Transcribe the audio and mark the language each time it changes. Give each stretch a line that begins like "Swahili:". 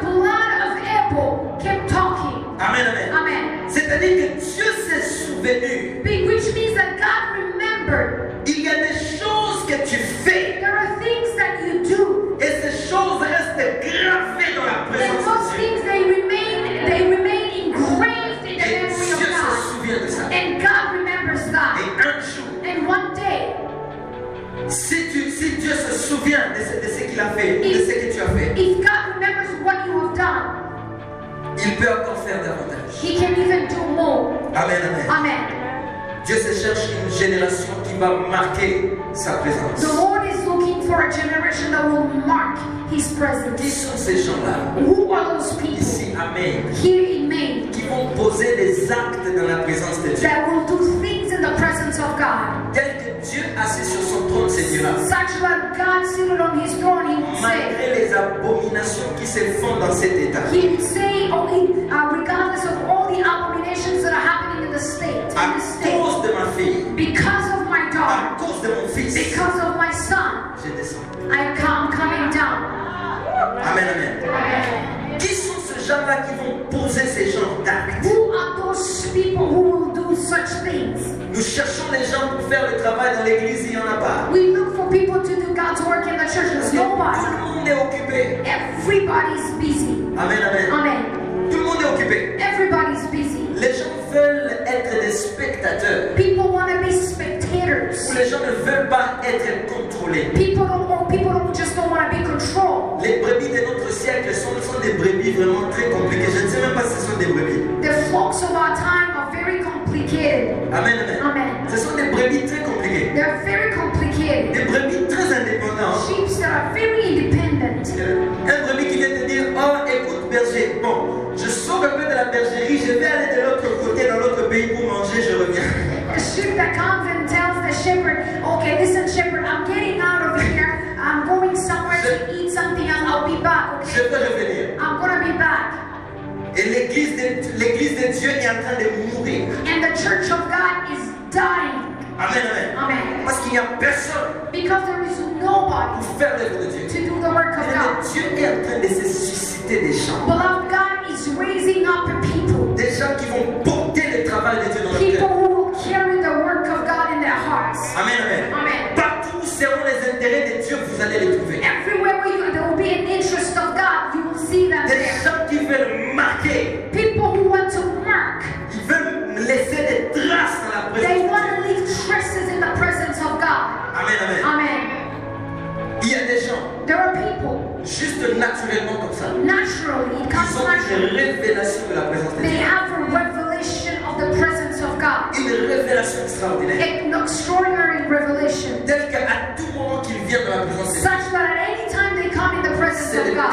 English: The blood of Abel kept talking. Amen, amen. Amen.
French: C'est-à-dire que Dieu s'est souvenu.
English: Which means that God remembered.
French: Il y a des choses que tu fais.
English: There are things that you do.
French: Et ces choses restent gravées dans la présence.
English: And those things they remain engraved in the
French: et
English: memory
French: Dieu
English: of God.
French: Et Dieu se souvient de ça.
English: And God remembers that.
French: Et un jour.
English: And one day.
French: Si Dieu se souvient de ce qu'il a fait, de ce que tu as fait.
English: If God remembers what you have done.
French: Il peut encore faire davantage.
English: He can even do more. Amen, amen. Amen.
French: Dieu se cherche une génération qui va marquer sa présence.
English: The Lord is looking for a generation that will mark His presence.
French: Qui sont ces gens-là?
English: Who are those people?
French: Ici, amen.
English: Here in Maine.
French: Qui vont poser des actes dans la présence de Dieu?
English: That will do things in the presence of God.
French: Tel que Dieu assis sur son trône, ces dieux-là.
English: Such that God seated on His throne, He will say.
French: Malgré les abominations qui se font dans cet état.
English: He will say, regardless of all the abominations that are happening in the state.
French: À cause de ma fille.
English: Because of my daughter.
French: À cause de mon fils.
English: Because of my son.
French: Je descends.
English: I come coming down. Amen, amen. Amen.
French: Qui sont ces gens-là qui vont poser ces gens d'actes?
English: Who are those people who will do such things?
French: Nous cherchons les gens pour faire le travail dans l'église, il n'y en a pas.
English: We look for people to do God's work in the church, there's nobody.
French: Tout le monde est occupé.
English: Everybody's busy. Amen, amen. Amen.
French: Tout le monde est occupé.
English: Everybody's busy.
French: Les gens veulent être des spectateurs.
English: People want to be spectators.
French: Les gens ne veulent pas être contrôlés.
English: People just don't want to be controlled.
French: Les brebis de notre siècle sont des brebis vraiment très compliquées. Je ne sais même pas si ce sont des brebis.
English: The flocks of our time are very complicated. Amen, amen. Amen.
French: Ce sont des brebis très compliquées.
English: They are very complicated.
French: Des brebis très indépendants.
English: Sheep that are very independent.
French: Un brebis qui vient te dire, oh, écoute berger, bon. Je sors un peu de la bergerie, je vais aller de l'autre côté, dans l'autre pays pour manger, je reviens.
English: The sheep that comes and tells the shepherd, okay, listen shepherd, I'm getting out of here, I'm going somewhere to eat something and I'll be back, okay?
French: Je peux revenir.
English: I'm gonna be back.
French: Et l'église de Dieu est en train de mourir.
English: And the church of God is dying. Amen, amen. Amen.
French: Parce qu'il n'y a personne.
English: Because there is nobody.
French: Pour faire l'œuvre de Dieu.
English: To do the work of God.
French: Dieu est en train de se susciter des gens.
English: Beloved God. Raising up people.
French: Des gens qui vont porter le travail de Dieu dans leur cœur.
English: Who will carry the work of God in their hearts. Amen, amen. Amen.
French: Partout où seront les intérêts de Dieu, vous allez les trouver.
English: Everywhere where you go, there will be an interest of God. You will see that.
French: Des gens qui veulent marquer.
English: People who want to mark.
French: Ils veulent laisser des traces dans la présence.
English: They want to leave traces in the presence of God. Amen, amen. Amen.
French: Il y a des gens.
English: There are people.
French: Juste naturellement comme ça.
English: Naturally, it comes naturally.
French: De la
English: they have a revelation of the presence of God.
French: Une révélation extraordinaire.
English: An extraordinary revelation.
French: Tel que à tout moment qu'il vient dans la présence de Dieu.
English: Such that at any time they come in the presence of God.